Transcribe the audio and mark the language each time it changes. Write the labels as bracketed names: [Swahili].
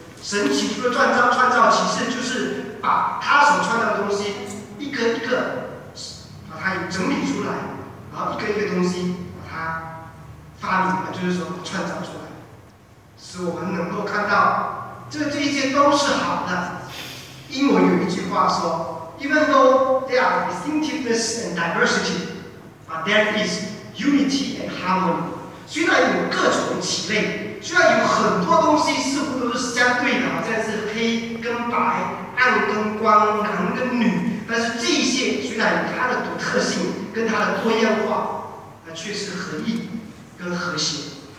[Chinese] 神起初的创造，其实就是把他所创造的东西一个一个把它整理出来，然后一个一个东西把它发明，就是说创造出来。使我们能够看到这一切都是好的。英文有一句话说 [English] Even though there are distinctiveness and diversity, but there is unity and harmony. [Chinese] 虽然有各种奇类，虽然有很多东西似乎都是相对的，好像是黑跟白、暗跟光、男跟女，但是这些虽然有它的独特性跟它的多样化，那却是合一跟和谐。